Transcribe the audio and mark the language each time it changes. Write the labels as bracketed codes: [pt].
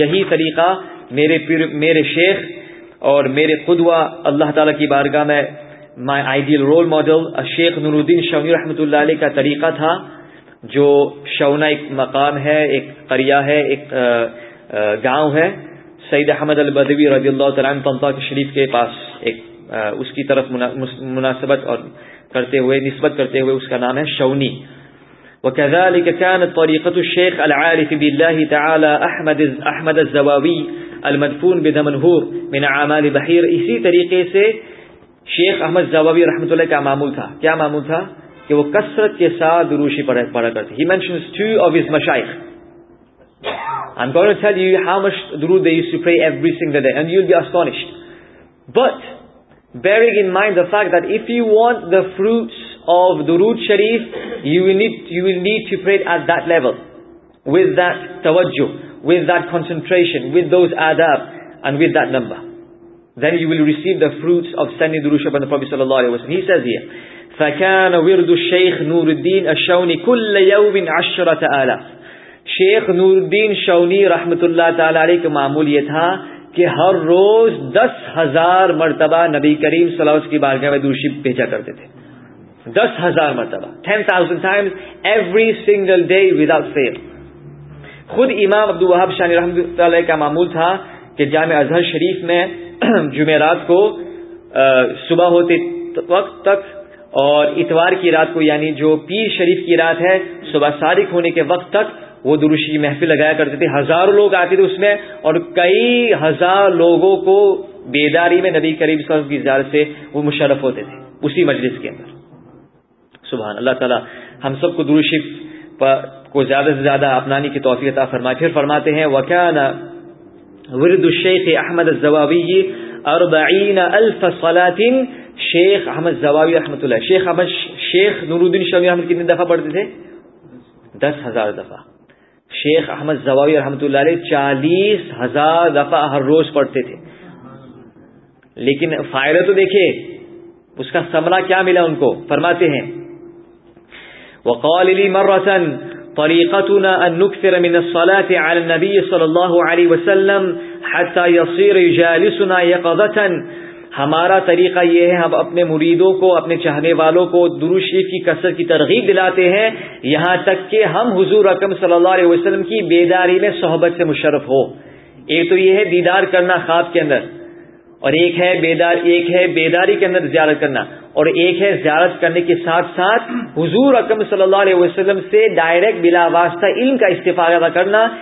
[ur] یہی طریقہ میرے شیخ اور میرے قدوہ اللہ تعالیٰ کی بارگاہ میں [en] my ideal role model [ur] شیخ نور الدین شونی رحمۃ اللہ علیہ کا طریقہ تھا. جو شونا ایک مقام ہے, ایک قریا ہے, ایک گاؤں ہے سید احمد البدوی رضی اللہ تعالیٰ عنہ پمپا شریف کے پاس, ایک اس کی طرف مناسبت اور کرتے ہوئے نسبت کرتے ہوئے اس کا نام ہے شونی. [ar] وكذلك كانت طريقة الشيخ العارف بالله تعالى احمد الزواوي المدفون بدمنهور من اعمال بحير. [ur] اسی طریقے سے شیخ احمد زواوی رحمۃ اللہ کا معمول تھا. کیا معمول تھا؟ کہ وہ کثرت کے ساتھ دروش پڑھا کرتے. [en] He mentions two of his mashayikh. I'm going to tell you how much durood they used to pray every single day and you'll be astonished. But bearing in mind the fact that if you want the fruits of durood sharif, you will need to pray at that level, with that tawajjuh, with that concentration, with those adab and with that number, then you will receive the fruits of sending durood sharif on the Prophet sallallahu alaihi wasallam. He says here, [ar] fa kana wirdu shaykh nuruddin ash-shawni kull yawmin 10,000. [ur] شیخ نور الدین شونی رحمت اللہ تعالی علیہ کا معمول یہ تھا کہ ہر روز 10,000 مرتبہ نبی کریم صلی اللہ علیہ وسلم کی بارگاہ میں درود شریف بھیجا کرتے تھے. [en] 10,000 [ur] مرتبہ, [en] 10,000 times every single day without fail. [ur] خود امام عبد الوہاب شانی رحمۃ اللہ علیہ کا معمول تھا کہ جامع اظہر شریف میں جمعرات کو صبح ہوتے وقت تک اور اتوار کی رات کو یعنی جو پیر شریف کی رات ہے صبح صادق ہونے کے وقت تک وہ درود شریف محفل لگایا کرتے تھے. ہزاروں لوگ آتے تھے اس میں اور کئی ہزار لوگوں کو بیداری میں نبی کریم صلی اللہ علیہ وسلم کی زیارت سے وہ مشرف ہوتے تھے اسی مجلس کے اندر. سبحان اللہ, تعالی ہم سب کو درود شریف کو زیادہ سے زیادہ اپنانے کی توفیق عطا فرمائے. پھر فرماتے ہیں [ar] وَكَانَ وِرْدُ الشَّيْخِ أَحْمَدَ الزَّوَاوِيِّ 40,000 صَلَاةٍ. [ur] شیخ احمد زواوی رحمۃ اللہ, شیخ احمد, شیخ نور الدین شونی احمد کتنی دفعہ پڑھتے تھے؟ 10,000 دفعہ. شیخ احمد زواوی رحمۃ اللہ علیہ 40,000 دفعہ ہر روز پڑھتے تھے. لیکن فائدہ تو دیکھے, اس کا ثمرہ کیا ملا ان کو. فرماتے ہیں [ar] وقال لي مره طريقتنا ان نكثر من الصلاه على النبي صلى الله عليه وسلم حتى يصير يجالسنا يقظه. [ur] ہمارا طریقہ یہ ہے, ہم اپنے مریدوں کو اپنے چاہنے والوں کو درود شریف کی کثرت کی ترغیب دلاتے ہیں یہاں تک کہ ہم حضور اکرم صلی اللہ علیہ وسلم کی بیداری میں صحبت سے مشرف ہو. ایک تو یہ ہے دیدار کرنا خواب کے اندر, اور ایک ہے بیداری کے اندر زیارت کرنا, اور ایک ہے زیارت کرنے کے ساتھ ساتھ حضور اکرم صلی اللہ علیہ وسلم سے ڈائریکٹ بلا واسطہ علم کا استفادہ کرنا.